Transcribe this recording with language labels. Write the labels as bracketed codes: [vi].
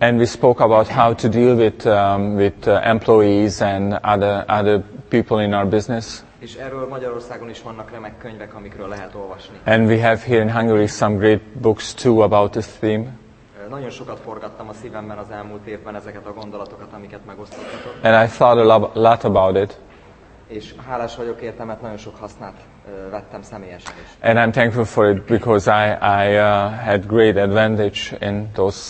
[en] And we spoke about how to deal with employees and other people in our business. [hu] És erről Magyarországon is vannak remek könyvek, amikről lehet olvasni. [en] And we have here in Hungary some great books too about this theme. [hu] Nagyon sokat forgattam a szívemben az elmúlt évben ezeket a gondolatokat, amiket megosztottatok. [en] And I thought a lot about it. [hu] És hálás vagyok érte, mert nagyon sok hasznát vettem személyesen is. [en] And I'm thankful for it because I had great advantage in those.